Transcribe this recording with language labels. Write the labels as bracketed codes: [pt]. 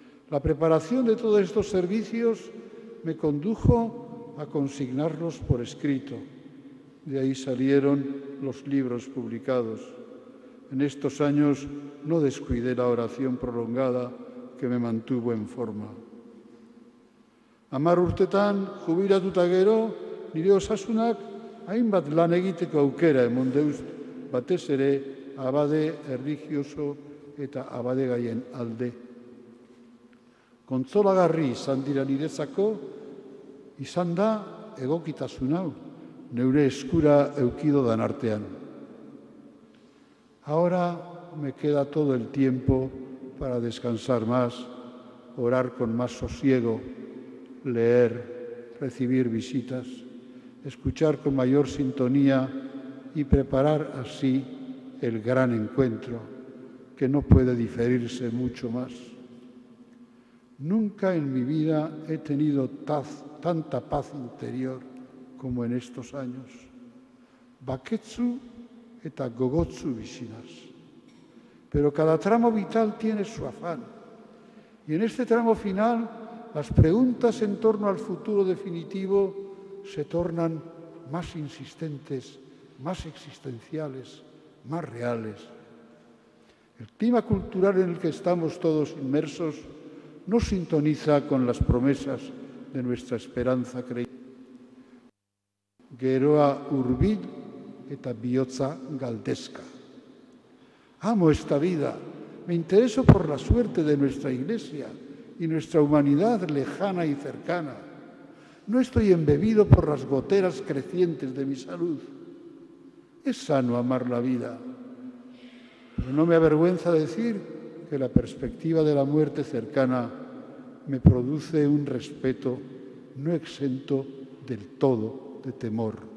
[es] La preparación de todos estos servicios me condujo a consignarlos por escrito. De ahí salieron los libros publicados. En estos años no descuidé la oración prolongada que me mantuvo en forma. [eu] Amar urtetan, jubilatuta gero, nire osasunak hainbat lan egiteko aukera emon deuz, batez ere abade erlijioso eta abade gaien alde. Kontzolagarri izan dira nirezako, izan da egokitasun hau, neure eskura eukido dan artean. [es] Ahora me queda todo el tiempo para descansar más, orar con más sosiego, leer, recibir visitas, escuchar con mayor sintonía y preparar así el gran encuentro, que no puede diferirse mucho más. Nunca en mi vida he tenido tanta paz interior como en estos años. [eu] Baketsu eta gogotsu bizinaz. [es] Pero cada tramo vital tiene su afán. Y en este tramo final, las preguntas en torno al futuro definitivo se tornan más insistentes, más existenciales, más reales. El clima cultural en el que estamos todos inmersos no sintoniza con las promesas de nuestra esperanza creyente. [eu] Geroa hurbil eta bihotza galdezka. [es] Amo esta vida, me intereso por la suerte de nuestra Iglesia y nuestra humanidad lejana y cercana. No estoy embebido por las goteras crecientes de mi salud. Es sano amar la vida. Pero no me avergüenza decir que la perspectiva de la muerte cercana me produce un respeto no exento del todo de temor.